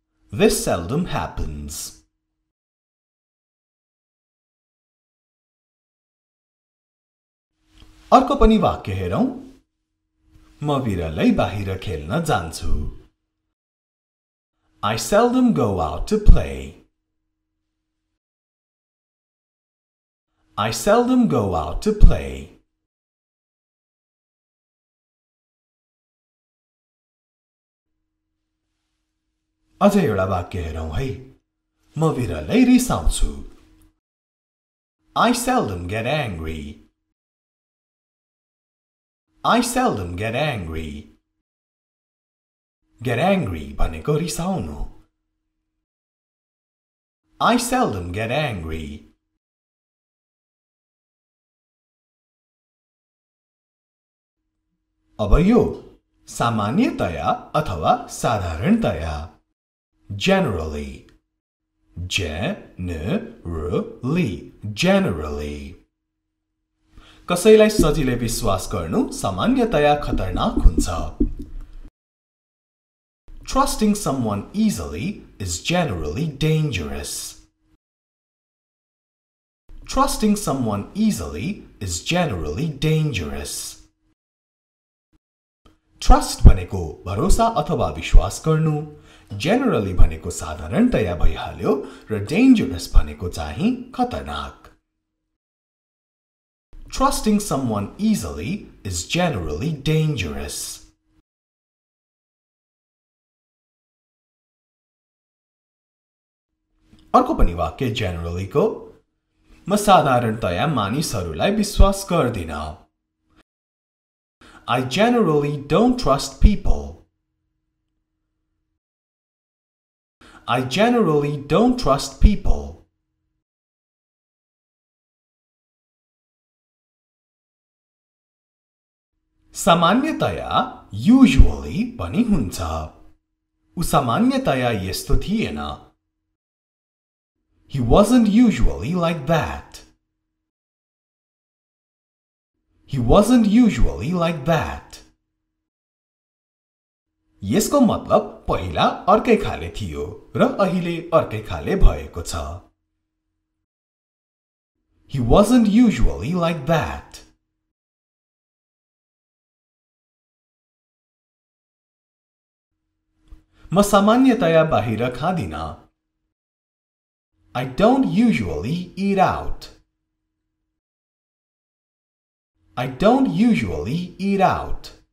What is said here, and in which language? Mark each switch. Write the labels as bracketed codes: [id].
[en] This seldom happens. [ne] अर्को पनि वाक्य हेरौं म विरलै बाहिर खेल्न जान्छु [en] I seldom go out to play I seldom go out to play [ne] अझै एउटा वाक्य हेरौं है म विरलै रिसाउँछु [en] I seldom get angry I seldom get angry. [ne] Get angry, भनेको रिसाउनु. [en] I seldom get angry. [ne] अब यो सामान्यतया अथवा साधारणतया. [en] Generally. Generally. Generally. [ne] कसैलाई सजिलै विश्वास गर्नु सामान्यतया खतरनाक हुन्छ. [en] Trusting someone easily is generally dangerous. Trusting someone easily is generally dangerous. [ne] Trust भनेको भरोसा अथवा विश्वास गर्नु, generally भनेको साधारणतया भइहाल्यो र dangerous भनेको चाहिँ खतरनाक. [en] Trusting someone easily is generally dangerous. [ne] अर्को पनि वाक्य generally को म साधारणतया मानिसहरूलाई विश्वास गर्दिन. [en] I generally don't trust people. I generally don't trust people. [ne] सामान्यतया usually पनि हुन्छ ऊ सामान्यतया यस्तो थिएन [en] He wasn't usually like that He wasn't usually like that [ne] यसको मतलब पहिला अर्कै खाले थियो र अहिले अर्कै खाले भएको छ [en] He wasn't usually like that [ne] म सामान्यतया बाहिर खादिन [en] I don't usually eat out I don't usually eat out